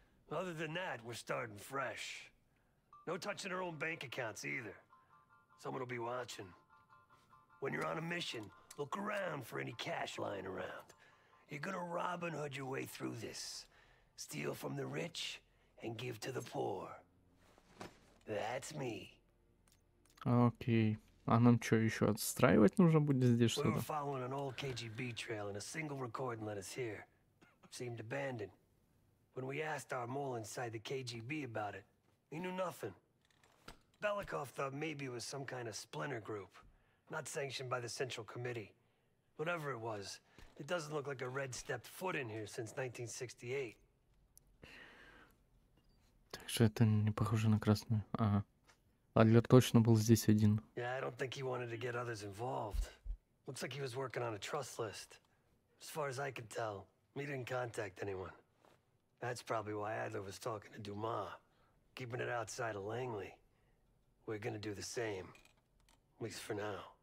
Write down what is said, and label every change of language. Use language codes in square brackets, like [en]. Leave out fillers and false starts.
[en] Other than that, we're starting fresh. No touching our own bank accounts either. Someone will be watching. When you're on a mission, look around for any cash lying around. You're gonna Robin Hood your way through this. Steal from the rich and give to the poor. That's me. [ru] Окей. А нам что, еще отстраивать нужно будет здесь что-то? [en] We were following an old KGB trail and a single recording led us here. Seemed abandoned. When we asked our mole inside the KGB about it, he knew nothing. Belikov thought maybe it was some kind of splinter group, not sanctioned by the Central Committee. Whatever it was, it doesn't look like a Red stepped foot in here since 1968. [ru] Так что это не похоже на красную. Ага. Адлер точно был здесь один. [en] Yeah, I don't think he wanted to get others involved. Looks like he was working on a trust list. As far as I could tell, he didn't contact anyone. That's probably why Adler was talking to Dumas, keeping it outside of Langley. We're gonna do the same, at least for now.